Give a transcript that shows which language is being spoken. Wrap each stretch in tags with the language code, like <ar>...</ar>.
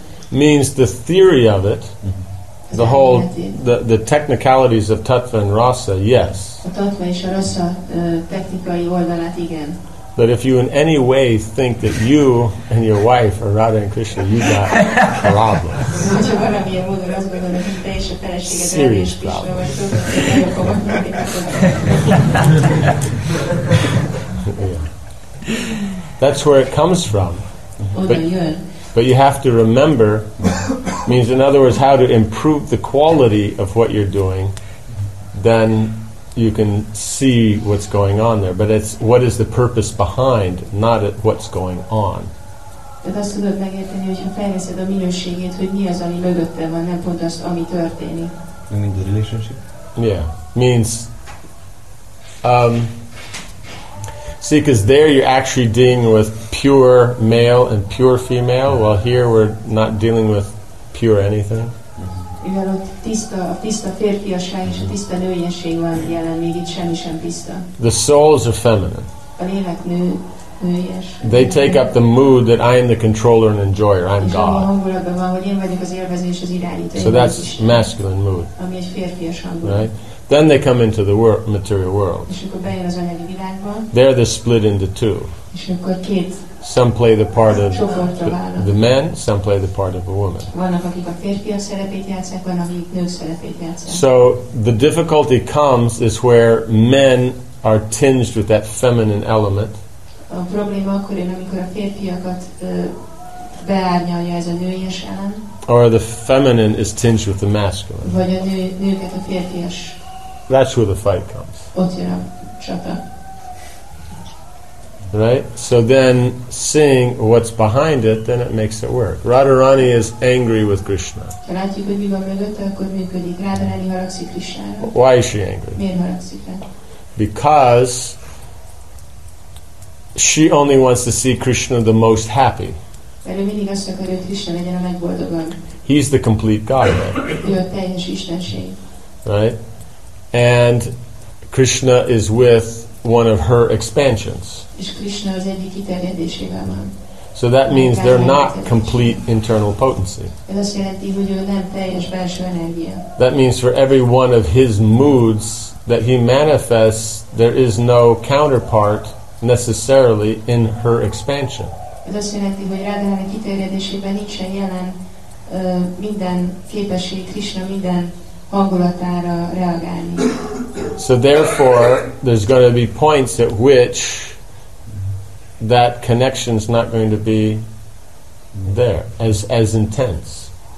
<en>Means the theory of it, the whole, the technicalities of tattva and rasa, yes.</en> <hu>A tattva és a rasa technikai oldalát, igen.</hu> <en>But if you in any way think that you and your wife are Radha and Krishna, you got problems. Serious problems. Yeah. That's where it comes from. But you have to remember, means in other words, how to improve the quality of what you're doing, then you can see what's going on there, but it's what is the purpose behind, not at what's going on.</en> <hu>Tehát azt tudod megérteni, hogyha fejleszed a minőségét, hogy mi az, ami mögötte van, nem pont az, ami történik.</hu> <en>You mean the relationship? Yeah. Means, see, because there you're actually dealing with pure male and pure female, while here we're not dealing with pure anything.</en> <hu>Mivel ott a tiszta férfiasság és a tiszta nőiesség van jelen, még itt semmi sem tiszta.</hu> <en>The souls are feminine.</en> <hu>A lélek nőies.</hu> <en>They take up the mood that I am the controller and enjoyer, I'm God.</en> <hu>És a hangulatban van, hogy én vagyok az élvező és az irányító.</hu> <en>So that's masculine mood.</en> <hu>Ami egy férfias hangulat.</hu> <en>Right? Then they come into the material world.</en> <hu>És akkor bejön az anyagi világban.</hu> <en>There they're split into two.</en> <hu>És akkor két.</hu> <en>Some play the part of the men, some play the part of a woman.</en> <hu>Vannak, akik a férfiak szerepét játszák, vannak, akik nők szerepét játszák.</hu> <en>So the difficulty comes is where men are tinged with that feminine element.</en> <hu>A probléma akkor jön, amikor a férfiakat beárnyalja ez a nőies elem.</hu> <en>Or the feminine is tinged with the masculine.</en> <hu>Vagy a nőket a férfias.</hu> <en>That's where the fight comes.</en> <hu>Ott jön a csata.</hu> <en>Right? So then, seeing what's behind it, then it makes it work. Radharani is angry with Krishna. Why is she angry? Because she only wants to see Krishna the most happy. He's the complete Godhead. Right? And Krishna is with one of her expansions.</en> <hu>És Krishna az egyik kiterjedésével van.</hu> <en>So that means they're not complete internal potency.</en> <hu>Ez azt jelenti, hogy ő nem teljes belső energia.</hu> <en>That means for every one of his moods that he manifests, there is no counterpart necessarily in her expansion.</en> <hu>Ez azt jelenti, hogy Radhának a kiterjedésében nincsen jelen minden képesség, Krishna minden hangulatára reagálni.</hu> <en>So therefore, there's going to be points at which that connection's not going to be there as intense.</en>